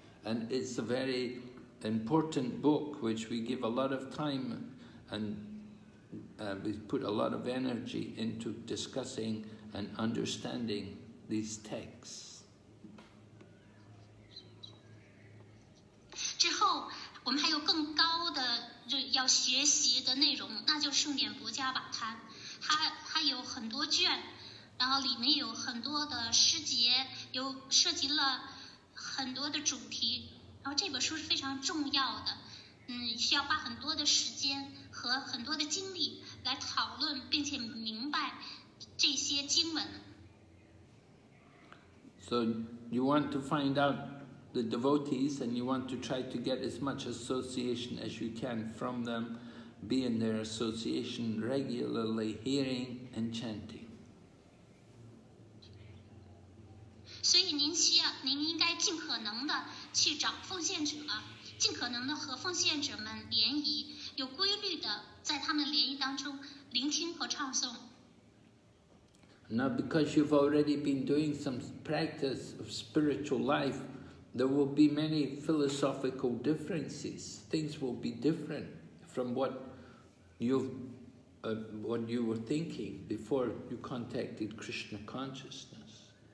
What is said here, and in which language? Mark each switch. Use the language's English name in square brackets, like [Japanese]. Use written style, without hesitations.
[English] And it's a very important book which we give a lot of time and we put a lot of energy into discussing and understanding these texts. [Chinese] 之后我们还有更高的要学习的内容，那就是《念佛家版刊》，它有很多卷，然后里面有很多的诗节，有涉及了很多的主题，然后这本书是非常重要的，需要花很多的时间和很多的精力来讨论并且明白这些经文。 [English] So you want to find out the devotees and you want to try to get as much association as you can from them, be in their association regularly, hearing and chanting. [Chinese] 所以您应该尽可能的去找奉献者，尽可能的和奉献者们联谊，有规律的在他们联谊当中聆听和唱诵。 [English] Now because you've already been doing some practice of spiritual life,There will be many philosophical differences. Things will be different from what you were thinking before you contacted Krishna consciousness.